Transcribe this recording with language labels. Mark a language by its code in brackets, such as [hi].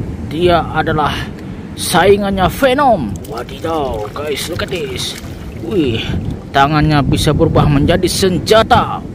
[id] Dia adalah saingannya Venom. [en] Wadidaw, guys, look at this. [id] Wih, tangannya bisa berubah menjadi senjata.